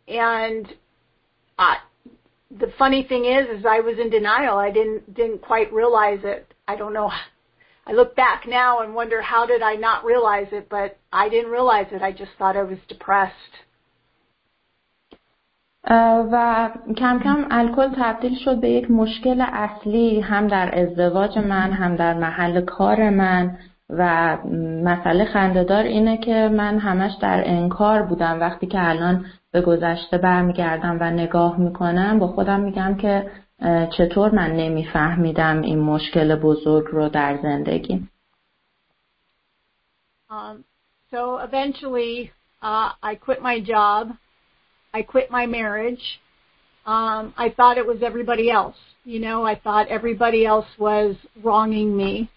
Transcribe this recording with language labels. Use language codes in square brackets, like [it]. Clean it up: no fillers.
[en] And the funny thing is I was in denial. I didn't quite realize it. I don't know. I look back now and wonder how did I not realize it, but I didn't realize it. I just thought I was depressed. [fa] و کم کم الکل تبدیل شد به یک مشکل اصلی هم در ازدواج من هم در محل کار من. و مسئله خنده‌دار اینه که من همش در انکار بودم. وقتی که الان به گذشته برمیگردم و نگاه میکنم با خودم میگم که چطور من نمیفهمیدم این مشکل بزرگ رو در زندگی. [en] So eventually I quit my job, I quit my marriage. I thought it was everybody else. You know, I thought everybody else was wronging me.